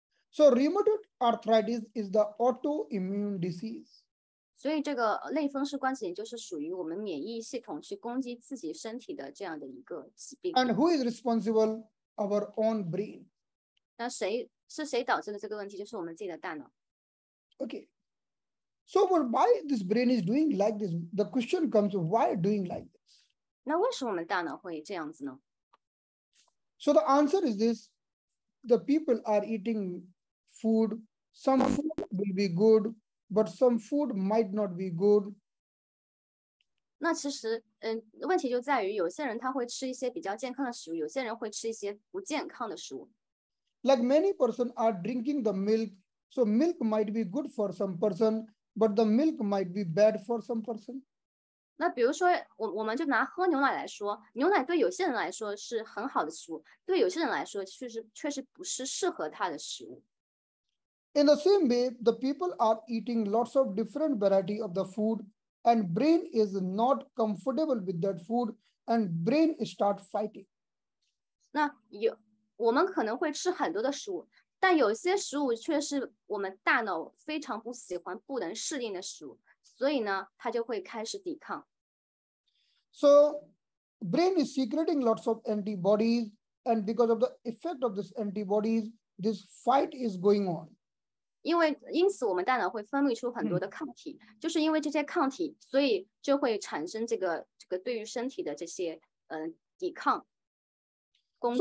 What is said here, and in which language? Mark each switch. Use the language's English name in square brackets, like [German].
[English] So rheumatoid arthritis is the autoimmune disease. [Chinese] 所以这个类风湿关节就是属于我们免疫系统去攻击自己身体的这样的一个疾病。 [English] And who is responsible? Our own brain. [Chinese] 那是谁导致的这个问题就是我们自己的大脑。 [English] Okay. So why this brain is doing like this? The question comes, why doing like this? [Chinese] 那为什么我们大脑会这样子呢？ [English] So the answer is this. The people are eating food. Some food will be good, but some food might not be good. [Chinese] 那其实问题就在于有些人他会吃一些比较健康的食物，有些人会吃一些不健康的食物。 [English] Like many person are drinking the milk. So milk might be good for some person. But the milk might be bad for some person. [Chinese] 那比如说我们就拿喝牛奶来说，牛奶对有些人来说是很好的食物，对有些人来说确实不是适合他的食物。 [English] In the same way, the people are eating lots of different variety of the food, and brain is not comfortable with that food, and brain start fighting. [Chinese] 那我们可能会吃很多的食物。但有些食物却是我们大脑非常不喜欢、不能适应的食物，所以呢，它就会开始抵抗。 [English] So, brain is secreting lots of antibodies, and because of the effect of these antibodies, this fight is going on. [Chinese] 因此我们大脑会分泌出很多的抗体，就是因为这些抗体，所以就会产生这个对于身体的这些抵抗攻击。